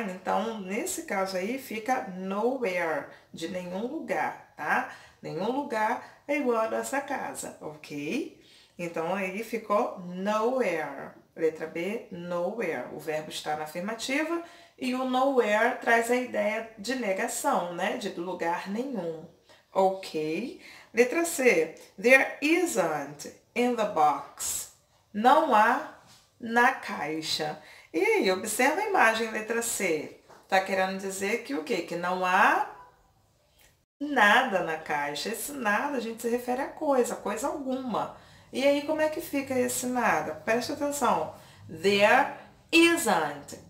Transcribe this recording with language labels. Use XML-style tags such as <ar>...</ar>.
<pt>Então, nesse caso aí, fica nowhere, de nenhum lugar, tá? Nenhum lugar é igual à nossa casa, ok? Então, aí ficou nowhere. Letra B, nowhere. O verbo está na afirmativa e o nowhere traz a ideia de negação, né? De lugar nenhum. Ok.</pt> <en>Letra C, there isn't in the box.</en> <pt>Não há na caixa. E aí, observa a imagem, letra C. Tá querendo dizer que o quê? Que não há nada na caixa. Esse nada a gente se refere a coisa, coisa alguma. E aí, como é que fica esse nada? Presta atenção.</pt> <en>There isn't.</en>